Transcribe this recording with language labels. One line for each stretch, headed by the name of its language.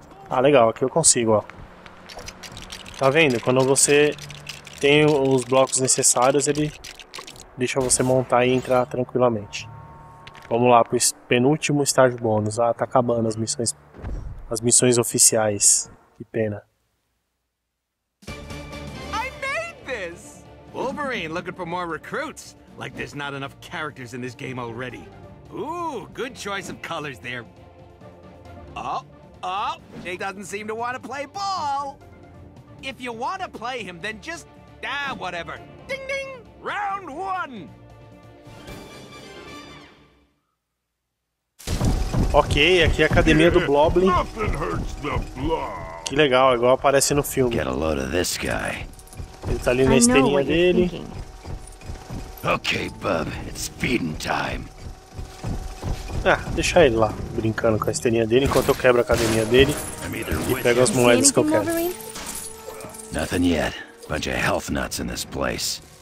Portuguese: Ah, legal, aqui eu consigo, ó. Tá vendo? Quando você tem os blocos necessários, ele deixa você montar e entrar tranquilamente. Vamos lá pro penúltimo estágio bônus. Ah, tá acabando as missões oficiais. Que pena.
English: I made this. Wolverine looking for more recruits. Like there's not enough characters in this game already. Ooh, good choice of colors there. Oh. Oh, he doesn't seem to want to play ball. If you want to play him, then just whatever. Ding ding. Round one.
Portuguese: Ok, aqui é a academia do Blobly. Que legal, igual aparece no filme.
English: Get a load of this guy.
Portuguese: Ele tá ali na esteirinha dele.
English: Okay, bub, it's feeding time.
Portuguese: Ah, deixa ele lá brincando com a esteirinha dele enquanto eu quebro a academia dele e pego as moedas que eu quero.
English: Nothing yet. Bunch of health nuts in this place.